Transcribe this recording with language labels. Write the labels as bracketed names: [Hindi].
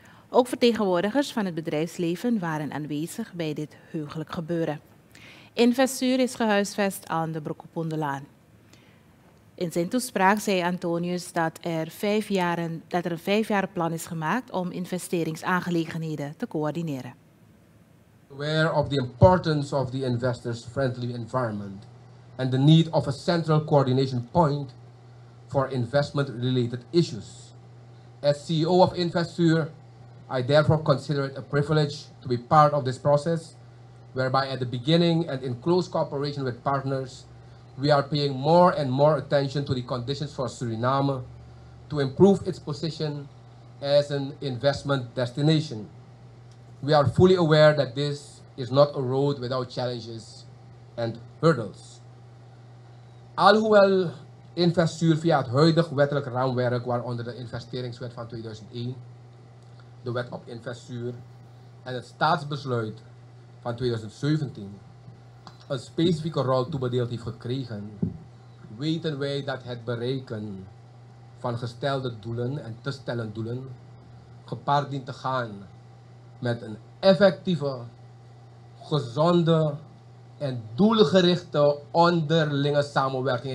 [Dutch] Ook vertegenwoordigers van het bedrijfsleven waren aanwezig bij dit heugelijk gebeuren. InvestSUR is gehuisvest aan de Broekepoendelaan. In zijn toespraak zei Antonius dat er een vijfjaren plan is gemaakt om investeringsaangelegenheden te coördineren. [English] Aware of the importance of the investors' friendly environment and the need of a central coordination point for investment-related issues. As CEO of InvestSUR, I therefore consider it a privilege to be part of this process, whereby at the beginning and in close cooperation with partners, we are paying more and more attention to the conditions for Suriname to improve its position as an investment destination. We are fully aware that this is not a road without challenges and hurdles. [Dutch] Alhoewel InvestSUR via het huidige wettelijk raamwerk waaronder de investeringswet van 2001, de wet op InvestSUR en het staatsbesluit van 2017 een specifieke rol toebedeeld heeft gekregen, weten wij dat het bereiken van gestelde doelen en te stellen doelen gepaard dient te gaan met een effectieve, gezonde en doelgerichte onderlinge samenwerking.